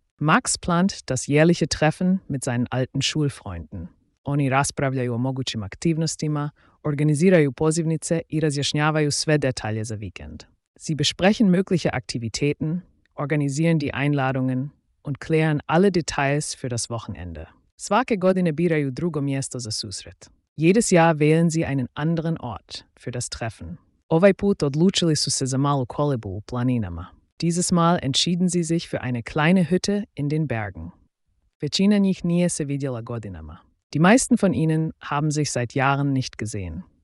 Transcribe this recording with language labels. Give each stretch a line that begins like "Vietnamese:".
German: Max plant das jährliche Treffen mit seinen alten Schulfreunden.
Croatian: Oni raspravljaju o mogućim aktivnostima, organiziraju pozivnice i razjašnjavaju sve detalje za vikend.
German: Sie besprechen mögliche Aktivitäten, organisieren die Einladungen und klären alle Details für das Wochenende.
Croatian: Svake godine biraju drugo mjesto za susret.
German: Jedes Jahr wählen sie einen anderen Ort für das Treffen.
Croatian: Ovaj put odlučili su se za malu kolibu u planinama.
German: Dieses Mal entschieden sie sich für eine kleine Hütte in den Bergen.
Croatian: Većina njih nije se vidjela godinama.
German: Die meisten von ihnen haben sich seit Jahren nicht gesehen.